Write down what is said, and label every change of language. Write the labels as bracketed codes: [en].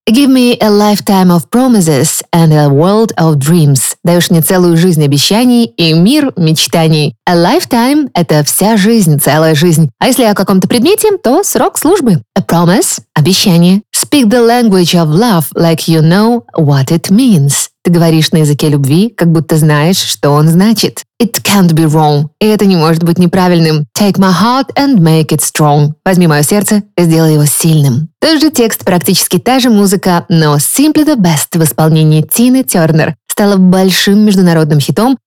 [en] Give me a lifetime of promises and a world of dreams. [ru] Даешь мне целую жизнь обещаний и мир мечтаний. A lifetime — это вся жизнь, целая жизнь. А если о каком-то предмете, то срок службы. [en] A promise — обещание. Speak the language of love like you know what it means. [ru] Ты говоришь на языке любви, как будто знаешь, что он значит. [en] It can't be wrong. [ru] И это не может быть неправильным. [en] Take my heart and make it strong. [ru] Возьми мое сердце и сделай его сильным. Тот же текст, практически та же музыка, но Simply the Best в исполнении Тины Тернер стала большим международным хитом